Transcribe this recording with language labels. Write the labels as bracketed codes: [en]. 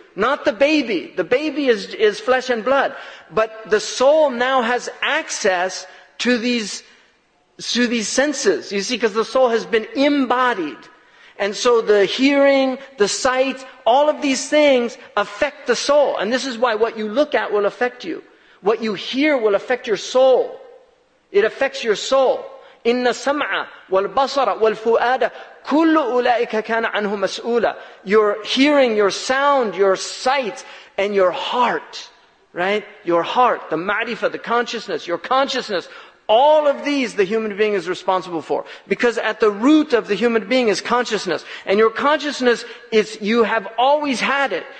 [en] Not the baby. The baby is flesh and blood. But the soul now has access to these senses. You see, because the soul has been embodied. And so the hearing, the sight, all of these things affect the soul. And this is why what you look at will affect you. What you hear will affect your soul. It affects your soul. [ar] إن السمع والبصر والفؤاد كل أولئك كان عنه مسؤولا. [en] Your hearing, your sound, your sight, and your heart, right? Your heart, the ma'rifa, the consciousness, your consciousness, all of these the human being is responsible for. Because at the root of the human being is consciousness. And your consciousness is, you have always had it.